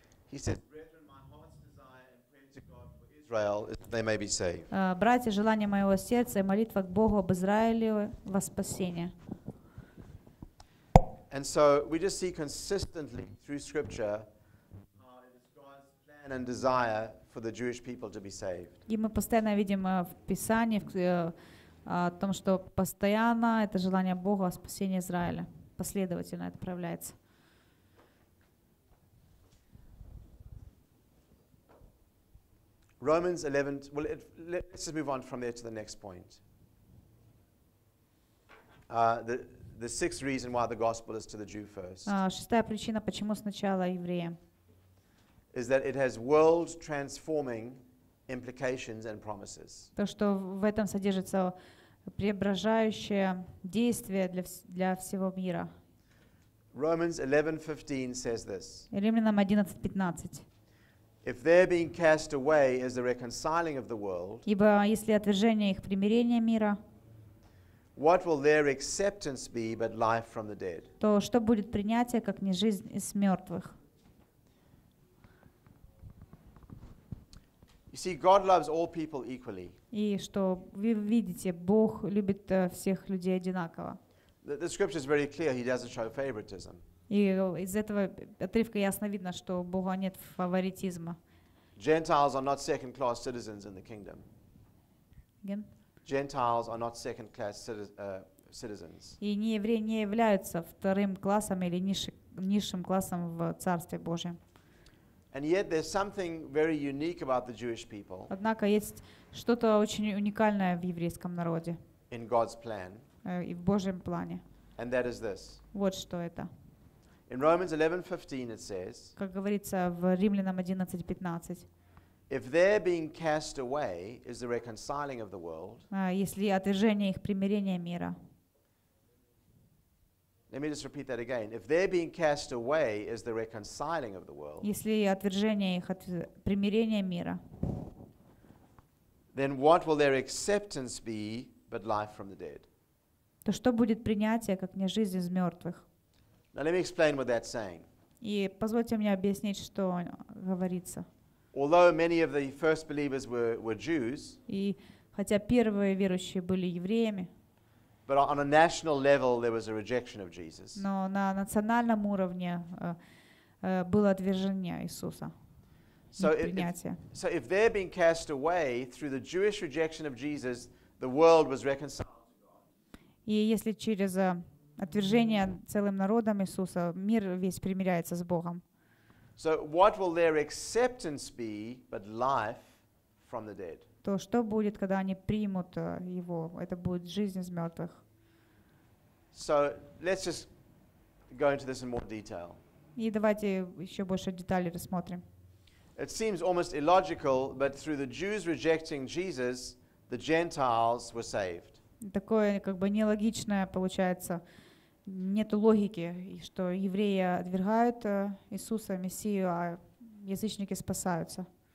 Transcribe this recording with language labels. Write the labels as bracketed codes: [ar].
[en] He said, "Brethren, my heart's desire and prayer to God for Israel is that they may be saved." [ru] Братья, желание моего сердца и молитва к Богу об Израиле во спасение. [en] And so we just see consistently through Scripture. And desire for the Jewish people to be saved. [ru] И мы постоянно видим в Писании о том, что постоянно это желание Бога о спасении Израиля последовательно отправляется. [en] Romans 11. Well, let's just move on from there to the next point. The sixth reason why the gospel is to the Jew first. [ru] Шестая причина, почему сначала евреям. [en] Is that it has world-transforming implications and promises. [ru] То, что в этом содержится преображающее действие для всего мира. [en] Romans 11:15 says this. [ru] Римлянам 11:15. [en] If they're being cast away as the reconciling of the world. [ru] Ибо если отвержение их примирение мира. [en] What will their acceptance be but life from the dead? [ru] То, что будет принятие как не жизнь из мертвых. [en] You see, God loves all people equally. [ru] И что вы видите, Бог любит всех людей одинаково. [en] The scripture is very clear. He doesn't show favoritism. [ru] И из этого отрывка ясно видно, что у Бога нет фаворитизма. [en] Gentiles are not second-class citizens in the kingdom. Again? Gentiles are not second-class citizens. [ru] И не евреи не являются вторым классом или низшим классом в Царстве Божьем. [en] And yet there's something very unique about the Jewish people. [ru] Однако есть что-то очень уникальное в еврейском народе. [en] In God's plan. [ru] И в Божьем плане. [en] And that is this. [ru] Вот что это. [en] In Romans 11:15 it says. [ru] Как говорится в Римлянам 11:15. [en] If their being cast away is the reconciling of the world. [ru] Если отвержение их примирение мира. [en] Let me just repeat that again. If their being cast away is the reconciling of the world. [ru] Если отвержение их примирение мира. [en] Then what will their acceptance be but life from the dead? [ru] То что будет принятие, как не жизнь из мертвых? [en] Now let me explain what that's saying. [ru] И позвольте мне объяснить, что говорится. [en] Although many of the first believers were Jews. [ru] И хотя первые верующие были евреями. [en] But on a national level there was a rejection of Jesus. [ru] Но на национальном уровне было отвержение Иисуса. [en] So if they're being cast away through the Jewish rejection of Jesus, the world was reconciled. [ru] И если через отвержение целым народом Иисуса мир весь примиряется с Богом. [en] So what will their acceptance be but life from the dead? [ru] То что будет, когда они примут его? Это будет жизнь из мертвых. [en] So let's just go into this in more detail. [ru] И давайте еще больше деталей рассмотрим. [en] It seems almost illogical, but through the Jews rejecting Jesus, the Gentiles were saved. [ru] Такое как бы нелогичное получается, нет логики, что евреи отвергают Иисуса, Мессию, а язычники спасаются.